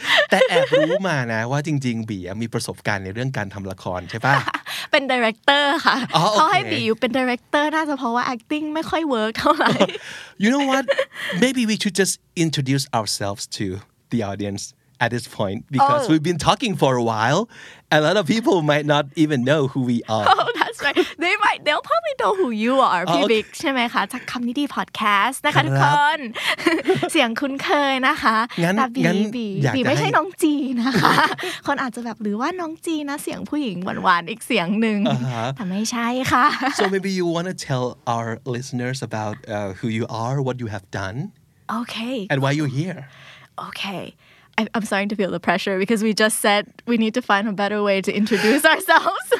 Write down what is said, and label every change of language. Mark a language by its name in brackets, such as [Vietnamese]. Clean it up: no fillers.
[Thai] แต่แอบรู้มานะว่าจริงๆบีมีประสบการณ์ในเรื่องการทำละครใช่ป่ะ เป็นดีเรคเตอร์ค่ ะเขาให้บี อยู่เป็นดีเรคเตอร์น่าจะเพราะว่า acting ไม่ค่อยเวิร์กเท่าไหร่ [English] You know what? Maybe we should just introduce ourselves to the audience at this point because we've been talking for a while. A lot of people might not even know who we are. Oh, that's right. They'll probably know who you are, [Thai] พี่บิ๊กใช่ไหมคะจากคำนี้ดีพอดแคสต์นะคะทุกคนเสียงคุ้นเคยนะคะแต่ บีไม่ใช่น้องจีนะคะคนอาจจะแบบหรือว่าน้องจีนะเสียงผู้หญิงหวานๆอีกเสียงหนึ่งแต่ไม่ใช่ค่ะ [English] So maybe you want to tell our listeners about who you are, what you have done, okay, and why you're here. Okay. I'm starting to feel the pressure because we just said we need to find a better way to introduce ourselves.